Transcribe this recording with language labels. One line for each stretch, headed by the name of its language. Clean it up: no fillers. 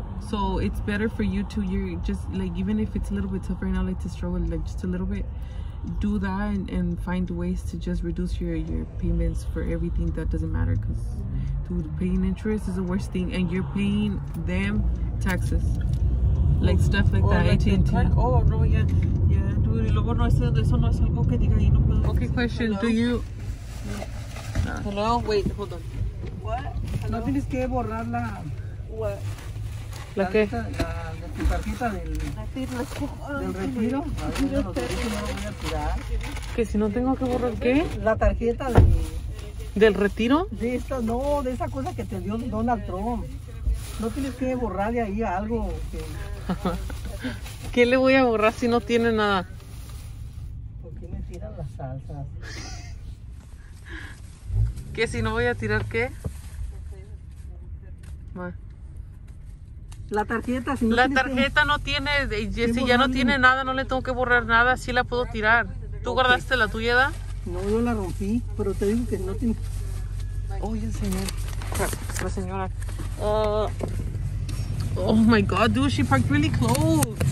English: So it's better for you to, you're just like, even if it's a little bit tough right now, like to struggle like just a little bit, do that and find ways to just reduce your payments for everything that doesn't matter. Because dude, paying interest is the worst thing, and you're paying them taxes. Like stuff like that, like AT&T. Oh no, yeah, dude.
Spanish: Y luego no es eso, no es algo que diga y no puedo.
English: Okay, question. Hello? Do you? No. Hello. Wait. Hold on. What?
Spanish: No tienes que borrar la.
English: What?
Spanish: La qué? La tarjeta del. La tarjeta. Del retiro. Ay, no, no, no, no, no, no voy a tirar. Que si no tengo que borrar qué? La tarjeta del retiro. De esta, no, de esa cosa que te dio Donald Trump. No tienes que borrar de ahí algo. Que... ¿Qué le voy a borrar si no tiene nada? ¿Por qué me tiran las salsas? ¿Qué? ¿Si no voy a tirar qué? La tarjeta, si no. La tarjeta no tiene, si ya no tiene nada, no le tengo que borrar nada, sí la puedo tirar. ¿Tú guardaste la tuya, Da? No, yo la rompí, pero te digo que no tiene. Oye, señor. La señora.
English: Oh my god, dude, she parked really close.